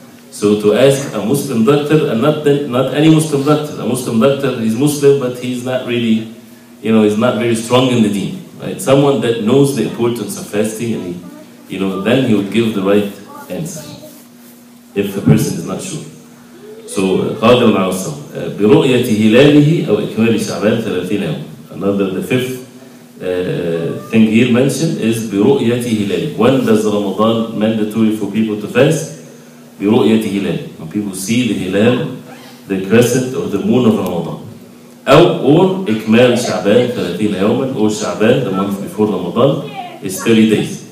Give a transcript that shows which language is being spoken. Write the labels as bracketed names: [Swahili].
[English] So to ask a Muslim doctor, and not any Muslim doctor, a Muslim doctor, he's Muslim, but he's not really, you know, he's not very strong in the deen, right? Someone that knows the importance of fasting, and then he would give the right answer if the person is not sure. [Arabic] So قادر على الصوم برؤية هلاله أو إكمال شعبان 30 يوم. [English] Another, the fifth Tengir mentioned is [Arabic] بِرُؤْيَةِ هِلَالِ. [English] When does Ramadan mandatory for people to fast? [Arabic] بِرُؤْيَةِ هِلَالِ. [English] When people see the hilal, the crescent or the moon of Ramadan. Or [Arabic] إِكْمَالِ شَعْبَانِ 30 يَوْمًا [English] or شَعْبَانِ, the month before Ramadan, is 30 days.